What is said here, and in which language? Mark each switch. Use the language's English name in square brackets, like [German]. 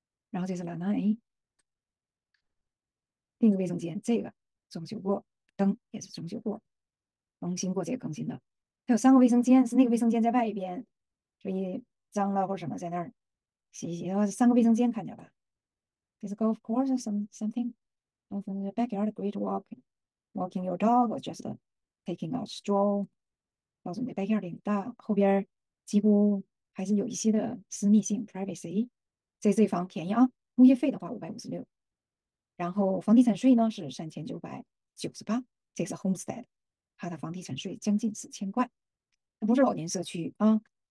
[Chinese] 然后这是 lanai，另一个卫生间，这个装修过，灯也是装修过，更新过这个更新的。它有三个卫生间，是那个卫生间在外边，所以。脏了或什么在那儿洗一洗，然后三个卫生间看见吧。 [English] This golf course or something. Off in the backyard, great walking your dog or just taking a stroll. [Chinese] 告诉你 backyard 挺大，后边几乎还是有一些的私密性 privacy。这房便宜啊，物业费的话556，然后房地产税呢是3998，这是 homestead，它的房地产税将近4000块，它不是老年社区啊。